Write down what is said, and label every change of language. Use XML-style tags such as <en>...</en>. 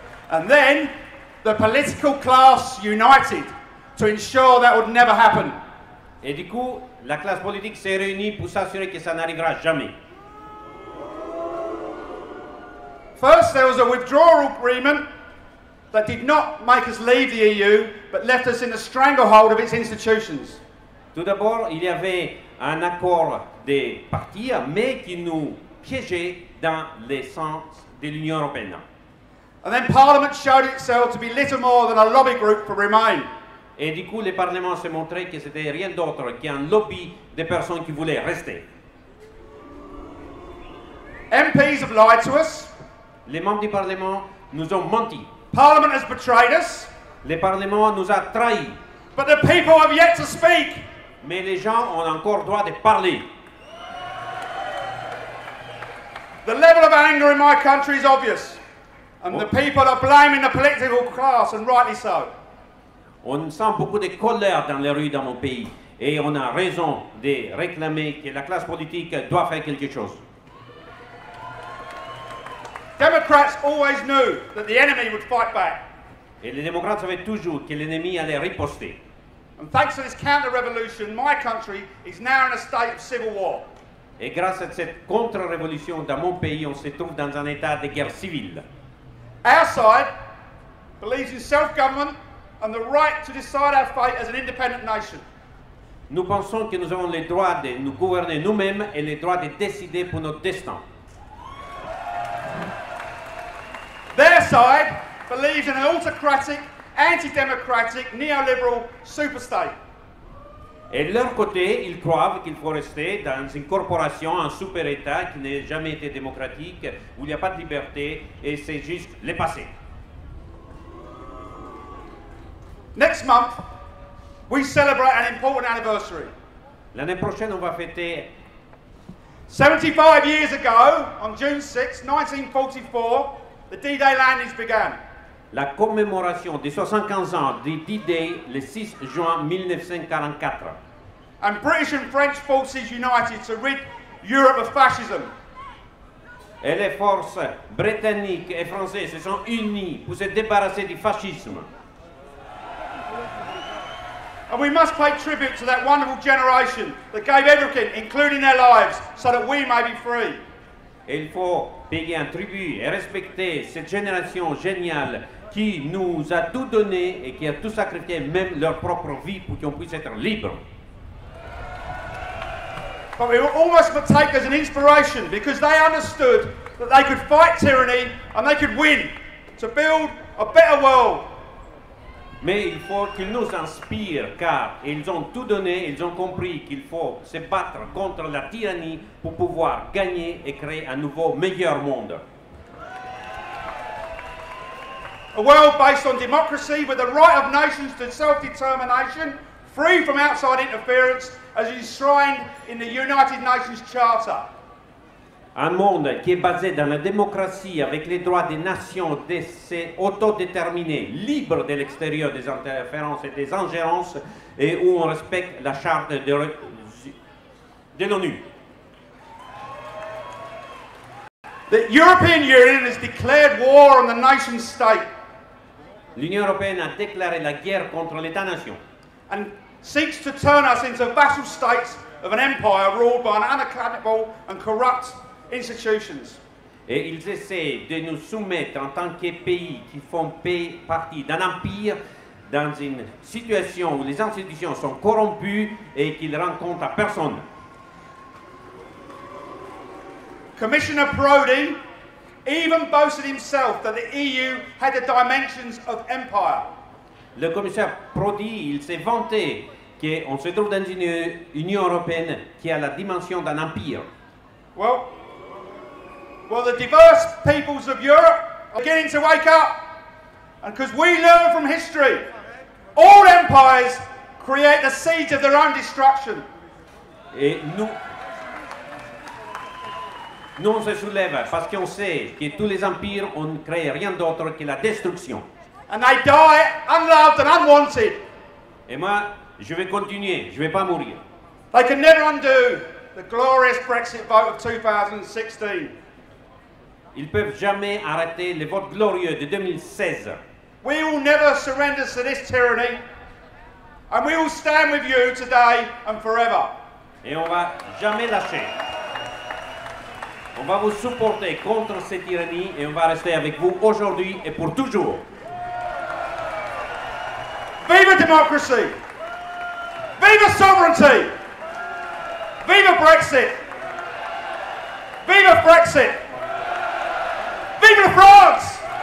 <en>And then the political class united to ensure that would never happen.</en> <fr>Et du coup, la classe politique s'est réunie pour s'assurer que ça n'arrivera jamais.</fr> <en>First, there was a withdrawal agreement that did not make us leave the EU, but left us in the stranglehold of its institutions.</en> <fr>Tout d'abord, il y avait un accord de partir, mais qui nous piégeait dans les sens de l'Union européenne.</fr> <en>And then Parliament showed itself to be little more than a lobby group for Remain.</en> <fr>Et du coup, le Parlement s'est montré que c'était rien d'autre qu'un lobby des personnes qui voulaient rester.</fr> <en>MPs have lied to us.</en> <fr>Les membres du Parlement nous ont menti.</fr> <en>Parliament has betrayed us.</en> <fr>Le Parlement nous a trahis.</fr> <en>But the people have yet to speak.</en> <fr>Mais les gens ont encore le droit de parler.</fr> <en>The level of anger in my country is obvious. And the people are blaming the political class, and rightly so.</en> <fr>On sent beaucoup de colère dans les rues dans mon pays. Et on a raison de réclamer que la classe politique doit faire quelque chose.</fr> <en>Democrats always knew that the enemy would fight back.</en> <fr>Et les démocrates savaient toujours que l'ennemi allait riposter.</fr> <en>And thanks to this counter-revolution, my country is now in a state of civil war.</en> <fr>Et grâce à cette contre-révolution dans mon pays, on se trouve dans un état de guerre civile.</fr> <en>Our side believes in self-government and the right to decide our fate as an independent nation.</en> <fr>Nous pensons que nous avons le droit de nous gouverner nous-mêmes et le droit de décider pour notre destin.</fr> <en>Their side believes in an autocratic, anti-democratic, neoliberal superstate.</en> <fr>Et de leur côté, ils croient qu'il faut rester dans une corporation, un super-État qui n'a jamais été démocratique, où il n'y a pas de liberté, et c'est juste le passé.</fr> <en>Next month, we celebrate an important anniversary.</en> <fr>L'année prochaine, on va fêter...</fr> <en>75 years ago, on June 6, 1944, the D-Day landings began.</en> <fr>La commémoration des 75 ans du D-Day le 6 juin 1944.</fr> <en>And British and French forces united to rid Europe of fascism.</en> <fr>Et les forces britanniques et françaises se sont unies pour se débarrasser du fascisme.</fr> <en>And we must pay tribute to that wonderful generation that gave everything, including their lives, so that we may be free.</en> <fr>Et il faut payer un tribut et respecter cette génération géniale qui nous a tout donné et qui a tout sacrifié, même leur propre vie, pour qu'on puisse être libre.</fr> <en>But we were almost partake as an inspiration because they understood that they could fight tyranny and they could win to build a better world.</en> <fr>Mais il faut qu'ils nous inspirent car ils ont tout donné, ils ont compris qu'il faut se battre contre la tyrannie pour pouvoir gagner et créer un nouveau meilleur monde.</fr> <en>A world based on democracy with the right of nations to self-determination, free from outside interference, as enshrined in the United Nations Charter.</en> <fr>Un monde qui est basé dans la démocratie avec les droits des nations de se autodéterminer, libre de l'extérieur des interférences et des ingérences, et où on respecte la charte de l'ONU.</fr> <en>The European Union has declared war on the nation state.</en> <fr>L'Union européenne a déclaré la guerre contre l'État-nation.</fr> <en>And seeks to turn us into vassal states of an empire ruled by an unaccountable and corrupt institutions.</en> <fr>Et ils essaient de nous soumettre en tant que pays qui font partie d'un empire dans une situation où les institutions sont corrompues et qu'ils rendent compte à personne.</fr> <en>Commissioner Prodi even boasted himself that the EU had the dimensions of empire.</en> <fr>Le commissaire Prodi, il s'est vanté qu'on se trouve dans une Union européenne qui a la dimension d'un empire.</fr> <en>Well, the diverse peoples of Europe are beginning to wake up. And because we learn from history, all empires create the seeds of their own destruction.</en> <fr>Et nous on se soulève parce qu'on sait que tous les empires on ne crée rien d'autre que la destruction.</fr> <en>And they die unloved and unwanted.</en> <fr>Et moi, je vais continuer, je vais pas mourir.</fr> <en>They can never undo the glorious Brexit vote of 2016.</en> <fr>Ils peuvent jamais arrêter le vote glorieux de 2016.</fr> <en>We will never surrender to this tyranny. And we will stand with you today and forever.</en> <fr>Et on va jamais lâcher. On va vous supporter contre cette tyrannie et on va rester avec vous aujourd'hui et pour toujours. Vive democracy! Vive sovereignty! Vive Brexit! Vive Brexit! Vive France!</fr>